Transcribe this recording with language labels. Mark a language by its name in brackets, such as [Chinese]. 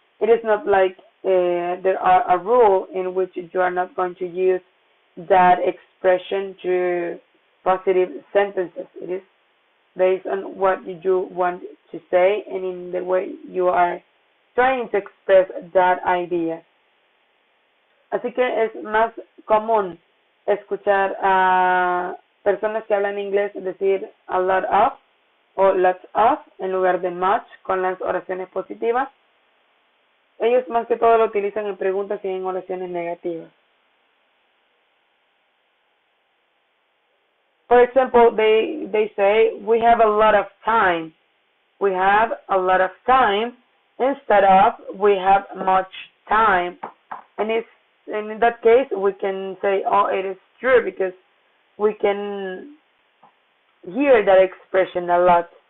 [English] It is not like there are a rule in which you are not going to use that expression to positive sentences. It is based on what you do want to say and in the way you are trying to express that idea. [Spanish] Así que es más común escuchar a personas que hablan inglés decir a lot of o lots of en lugar de much con las oraciones positivas. Ellos más que todo lo utilizan en preguntas y en oraciones negativas. [English] For example, they say, we have a lot of time. We have a lot of time instead of we have much time. And it's, and in that case, we can say, oh, it is true because we can hear that expression a lot.